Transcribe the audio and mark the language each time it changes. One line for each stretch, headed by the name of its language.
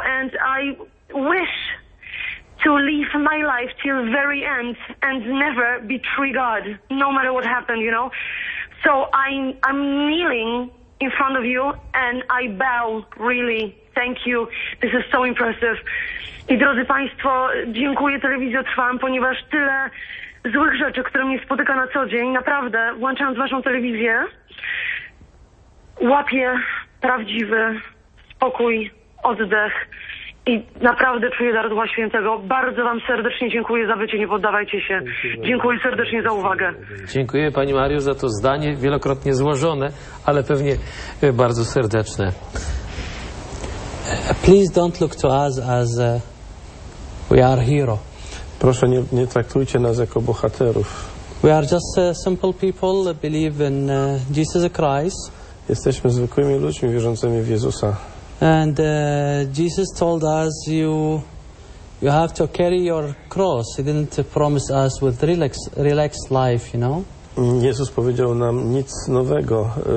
English: And I wish to live my life till very end and never betray God, no matter what happened, you know. So I'm kneeling in front of you and I bow, really. Thank you. This is so impressive.
Polish: I drodzy Państwo, dziękuję Telewizji Trwam, ponieważ tyle złych rzeczy, które mnie spotyka na co dzień, naprawdę, włączając waszą telewizję, łapię prawdziwy spokój, oddech i naprawdę czuję dar Ducha Świętego. Bardzo wam serdecznie dziękuję za bycie, nie poddawajcie się. Dziękuję serdecznie za uwagę. Dziękuję pani Mario za to zdanie, wielokrotnie złożone, ale pewnie bardzo serdeczne.
English: Please don't look to us as we are hero.
Polish: Proszę, nie traktujcie nas jako bohaterów.
English: We are just simple people that believe in Jesus Christ.
Polish: Jesteśmy zwykłymi ludźmi wierzącymi w Jezusa.
English: And Jesus told us, you You have to carry your cross. He didn't promise us with relaxed life, you know.
Polish: Jezus powiedział nam nic nowego.